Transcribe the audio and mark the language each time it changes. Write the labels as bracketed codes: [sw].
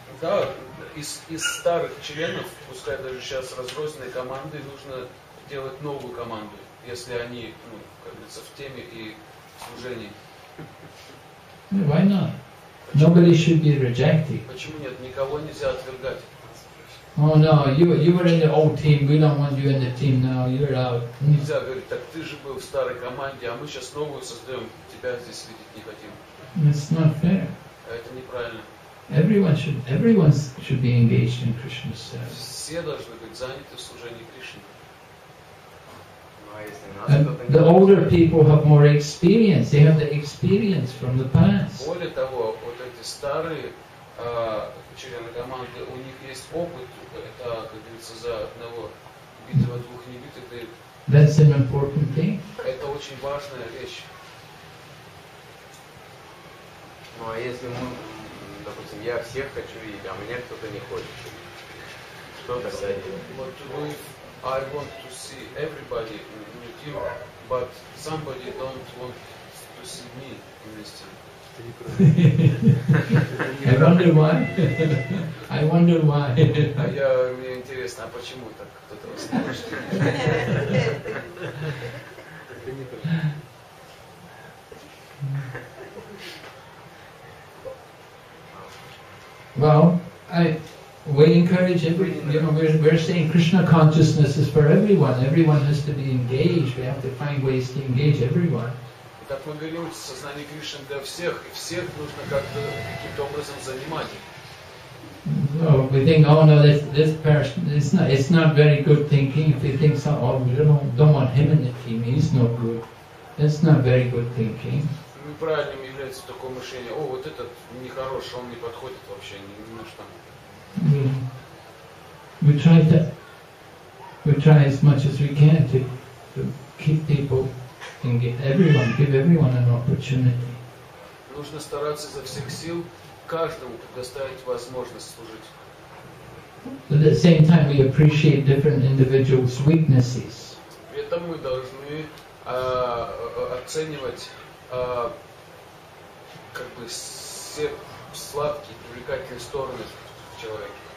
[ru] Да, из старых членов, пускай даже сейчас разрозненной команды, нужно делать новую команду, если они, ну, как говорится, в теме и в служении. [en] Yeah, why not? Nobody should be rejected. [ru] Почему нет? Никого нельзя отвергать. [en] Oh no, you were in the old team, we don't want you in the team now, you're out. [ru] Нельзя говорить, так ты же был в старой команде, а мы сейчас новую создаем, тебя здесь видеть не хотим. [en] That's not fair. [ru] Это неправильно. [en] Everyone should be engaged in Krishna's service. [ru] Все должны быть заняты в служении Кришне. [en] And the older people have more experience, they have the experience from the past. [ru] Более того, вот эти старые члены команды, у них есть опыт, это, как говорится, за одного битого, двух небитых. [en] That's an important thing. [ru] Это очень важная вещь. Ну а если мы, допустим, я всех хочу видеть, а меня кто-то не хочет, что тогда делать? [en] I want to see everybody in the team, but somebody don't want to see me in this team. I wonder why. [ru] Я, мне интересно, а почему так кто-то вас не хочет? [en] Well, we encourage everyone, you know, we're saying Krishna consciousness is for everyone. Everyone has to be engaged. We have to find ways to engage everyone. [ru] Так мы говорим, сознание Кришны для всех, и всех нужно как-то каким-то образом занимать. [en] we think, oh no, this person, it's not very good thinking if he thinks, oh, we don't want him in the team, he's no good. That's not very good thinking. [ru] Неправильным является такое мышление. О, вот этот нехороший, он не подходит вообще, не наш там. [en] We try as much as we can to keep people and give everyone an opportunity. [ru] Нужно стараться за всех сил каждому предоставить возможность служить. [en] But at the same time, we appreciate different individuals' weaknesses. [ru] При этом мы должны оценивать как бы все сладкие, привлекательные стороны человека.